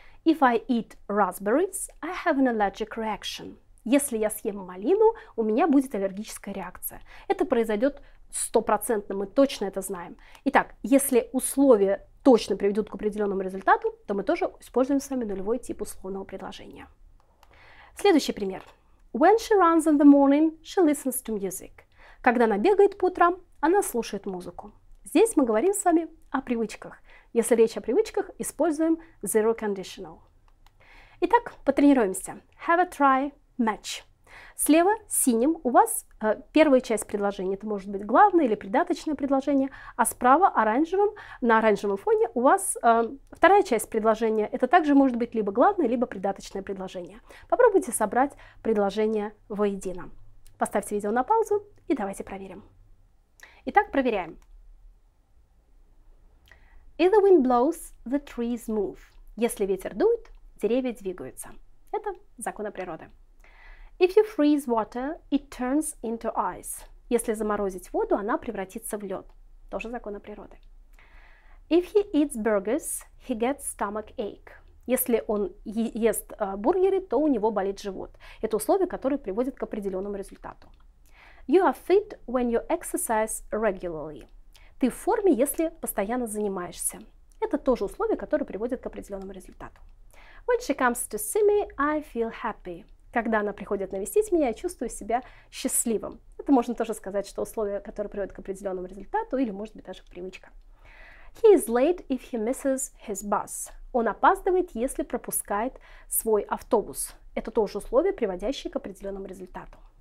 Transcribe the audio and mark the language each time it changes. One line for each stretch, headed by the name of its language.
English: If I eat raspberries, I have an allergic reaction.
Russian: Если я съем малину, у меня будет аллергическая реакция. Это произойдет 100%, мы точно это знаем. Итак, если условия точно приведут к определенному результату, то мы тоже используем с вами нулевой тип условного предложения. Следующий пример.
English: When she runs in the morning, she listens to music.
Russian: Когда она бегает по утрам, она слушает музыку. Здесь мы говорим с вами о привычках. Если речь о привычках, используем zero conditional. Итак, потренируемся.
English: Have a try, match.
Russian: Слева синим у вас первая часть предложения. Это может быть главное или придаточное предложение. А справа оранжевым, на оранжевом фоне у вас вторая часть предложения. Это также может быть либо главное, либо придаточное предложение. Попробуйте собрать предложение воедино. Поставьте видео на паузу и давайте проверим. Итак, проверяем.
English: If the wind blows, the trees move.
Russian: Если ветер дует, деревья двигаются. Это законы природы.
English: If you freeze water, it turns into ice.
Russian: Если заморозить воду, она превратится в лед. Тоже законы природы.
English: If he eats burgers, he gets stomach ache.
Russian: Если он ест бургеры, то у него болит живот. Это условие, которое приводит к определенному результату.
English: You are fit when you exercise regularly.
Russian: Ты в форме, если постоянно занимаешься. Это тоже условие, которое приводит к определенному результату.
English: When she comes to see me, I feel happy.
Russian: Когда она приходит навестить меня, я чувствую себя счастливым. Это можно тоже сказать, что условие, которое приводит к определенному результату, или может быть даже привычка.
English: He is late if he misses his bus.
Russian: Он опаздывает, если пропускает свой автобус. Это тоже условие, приводящее к определенному результату.